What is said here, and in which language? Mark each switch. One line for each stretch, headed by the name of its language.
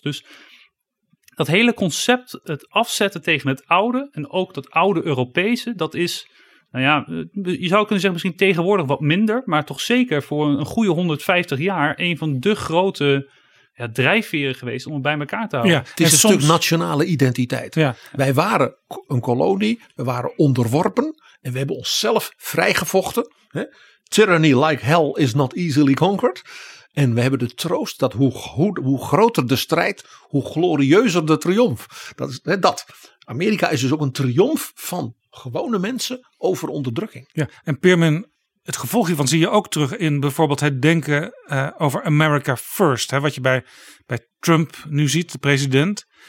Dutch: Dus dat hele concept, het afzetten tegen het oude en ook dat oude Europese, dat is, je zou kunnen zeggen misschien tegenwoordig wat minder, maar toch zeker voor een goede 150 jaar een van de grote drijfveren geweest om het bij elkaar te houden. Ja, het is en een stuk nationale identiteit. Ja. Wij waren een kolonie, we waren onderworpen en we hebben onszelf vrijgevochten.
English: Tyranny like hell is not easily conquered.
Dutch: En we hebben de troost dat hoe groter de strijd, hoe glorieuzer de triomf. Dat is dat. Amerika is dus ook een triomf van gewone mensen over onderdrukking. Ja, en Peermin, Het gevolg hiervan zie je ook terug in bijvoorbeeld het denken over America First. Hè, wat je bij Trump nu ziet, de president.